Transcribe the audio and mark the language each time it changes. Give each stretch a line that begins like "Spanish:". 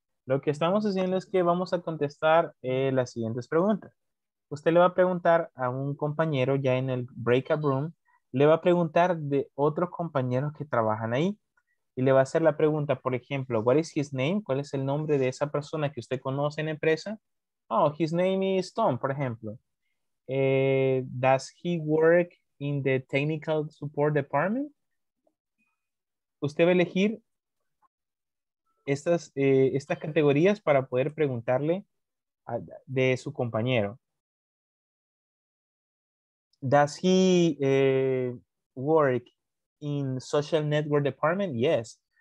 Spanish: Lo que estamos haciendo es que vamos a contestar las siguientes preguntas. Usted le va a preguntar a un compañero ya en el breakout room, le va a preguntar de otros compañeros que trabajan ahí y le va a hacer la pregunta, por ejemplo,
English: what is his name?
Spanish: ¿Cuál es el nombre de esa persona que usted conoce en empresa?
English: Oh, his name is Tom,
Spanish: por ejemplo.
English: Does he work in the technical support department?
Spanish: Usted va a elegir estas categorías para poder preguntarle de su compañero.
English: Does he work in social network department? Yes.